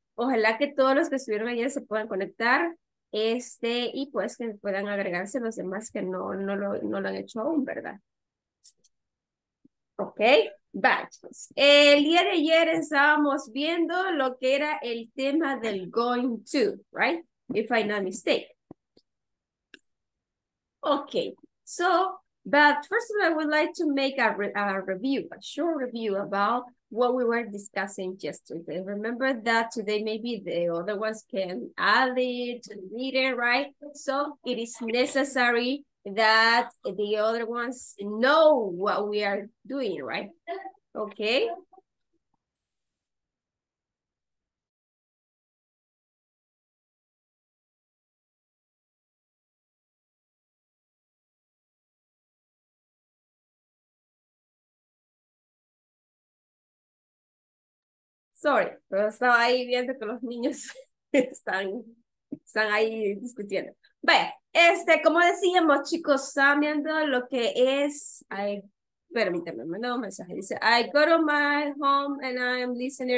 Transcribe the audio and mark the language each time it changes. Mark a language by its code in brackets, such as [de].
[es] Ojalá que todos los que estuvieron ayer se puedan conectar, y pues que puedan agregarse los demás que no lo han hecho aún, ¿verdad? Ok, va, chicos. El día de ayer estábamos viendo lo que era el tema del [en] going to, right? If not mistaken. Ok, so, but first of all, I would like to make a review, a short review about what we were discussing yesterday. Remember that today maybe the other ones can add it to the meeting, right? So it is necessary that the other ones know what we are doing, right? Okay. [es] Sorry, pero estaba ahí viendo que los niños están ahí discutiendo. Vaya, como decíamos, chicos, están viendo lo que es. Ay, permíteme, me mandó un mensaje. [en] Dice, I go to my home and I am listening.